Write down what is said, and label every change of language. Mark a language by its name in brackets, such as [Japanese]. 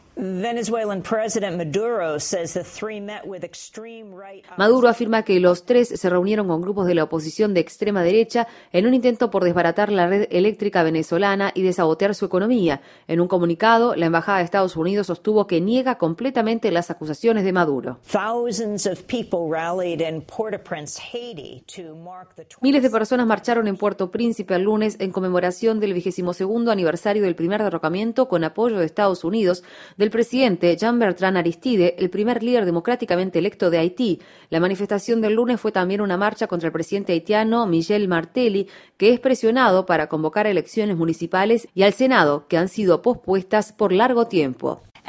[English] Venezuelan President Maduro says the 3 met with extreme right. [Spanish] Maduro afirma que los 3 se reunieron con grupos de la oposición de extrema derecha en un intento por desbaratar la red eléctrica venezolana y de sabotear su economía. En un comunicado, la embajada de Estados Unidos sostuvo que niega completamente las acusaciones de Maduro. [English] Thousands of people rallied in Port-au-Prince, Haiti to mark the 20th. [Spanish] Miles de personas marcharon en Puerto Príncipe el lunes en conmemoración del 22º aniversario del primer derrocamiento con apoyo de Estados Unidos del presidente Jean-Bertrand Aristide, el primer líder democráticamente electo de Haití. La manifestación del lunes fue también una marcha contra el presidente haitiano Michel Martelly, que es presionado para convocar elecciones municipales y al Senado, que han sido pospuestas por largo tiempo.